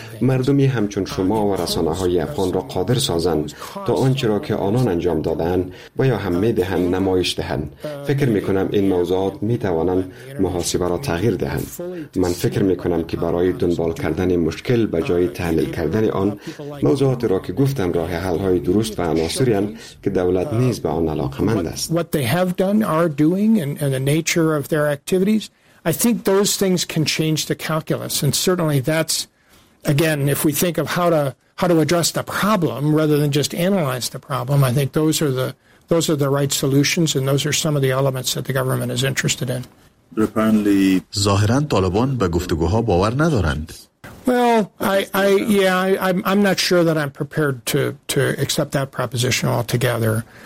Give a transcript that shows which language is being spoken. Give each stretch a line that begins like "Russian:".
Persian: مردمی همچون شما و رسانه‌های افغان را قادر سازند تا آنچه را که آنان انجام دادند و یا هم می‌دهند نمایش دهند. فکر می‌کنم این موضوعات می‌توانند محاسبه را تغییر دهند. من فکر می‌کنم که برای دنبال کردن مشکل به جای تحلیل کردن آن، موضوعاتی را که گفتم راه حل‌های درست و عناصری هستند که دولت نیز به آن علاقه‌مند است.
English: What they have done, are doing, and the nature of their activities, I think those things can change the calculus. And certainly that's, again, if we think of how to address the problem rather than just analyze the problem, I think those are the right solutions, and those are some of the elements that the government is interested in.
Persian: ظاهراً طالبان به گفتگوها باور ندارند.
English: Well, I'm not sure that I'm prepared to accept that proposition altogether.